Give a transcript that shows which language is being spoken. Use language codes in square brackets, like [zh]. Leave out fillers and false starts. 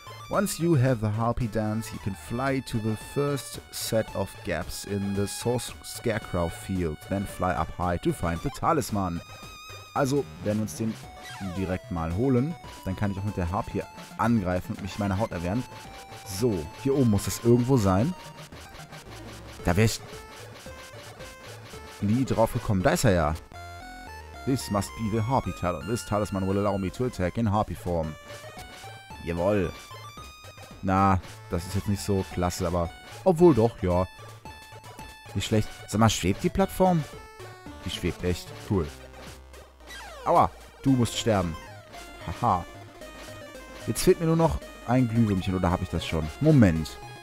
[en] Once you have the Harpy Dance, you can fly to the first set of gaps in the Scarecrow Field. Then fly up high to find the Talisman. [de] Also werden wir uns den direkt mal holen. Dann kann ich auch mit der Harpie hier angreifen und mich meine Haut erwärmen. So, hier oben muss das irgendwo sein. Da wäre ich nie drauf gekommen. Da ist er ja. [en] This must be the Harpy Talon. This Talisman will allow me to attack in Harpy Form. [de] Jawoll. Na, das ist jetzt nicht so klasse, aber obwohl doch, ja. Nicht schlecht. Sag mal, schwebt die Plattform? Die schwebt echt. Cool. Aua, du musst sterben. Haha. Jetzt fehlt mir nur noch ein Glühwürmchen, oder habe ich das schon? Moment.